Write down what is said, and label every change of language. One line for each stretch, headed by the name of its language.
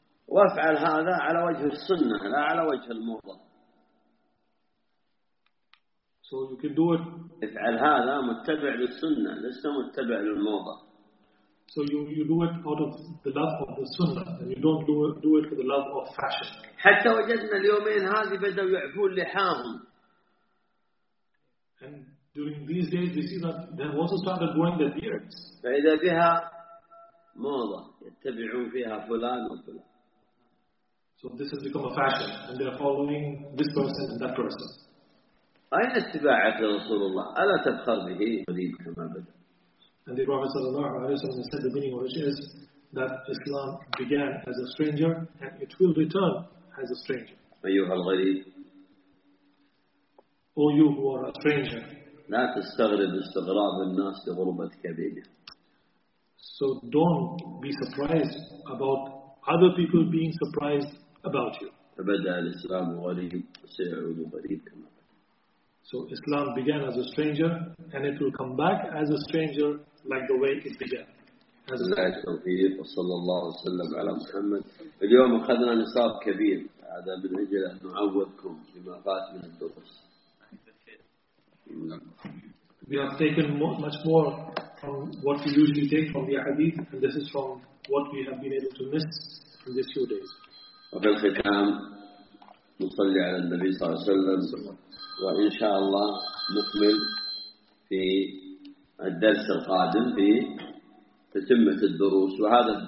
Arabic: وافعل هذا على وجه السنة لا على وجه الموضة.
English: So you can do it.
Arabic: افعل هذا متبع للسنة لست متبع للموضة.
English: So you do it out of the love of the Sunnah and you don't do it for the love of fashion.
Arabic: حتى وجدنا اليومين هذه بدأوا يعفون لحاهم.
English: And during these days we see that they also started growing their beards.
Arabic: فإذا بها موضة يتبعون فيها فلان وفلان.
English: So this has become a fashion and they are following this person and that person.
Arabic: أين اتباعك لرسول الله؟ ألا تبخر به؟ قديم كما بدأ.
English: And the Prophet
Arabic: صلى الله عليه وسلم
English: said the beginning of it is that Islam began as a stranger and it will return as a stranger.
Arabic: أيها الغريب.
English: O you who are a stranger.
Arabic: لا تستغرب استغراب الناس لغربة كبيرة.
English: So don't be surprised about other people being surprised about you.
Arabic: فبدأ الإسلام غريب سيعود غريب كما بدأ.
English: So Islam began as a stranger and it will come back as a stranger like the way it began. As a stranger.
Arabic: صلى الله وسلم على محمد. اليوم أخذنا نصاب كبير. هذا من أجل أن نعوضكم بما فات من الدروس.
English: We have taken much more from what we usually take from the hadith and this is from what we have been able to miss in these few days.
Arabic: وفي الختام نصلي على النبي صلى الله عليه وسلم وإن شاء الله نكمل في الدرس القادم في تتمة الدروس، وهذا الدرس إن شاء الله مستمر ودرس الثلاثاء مستمر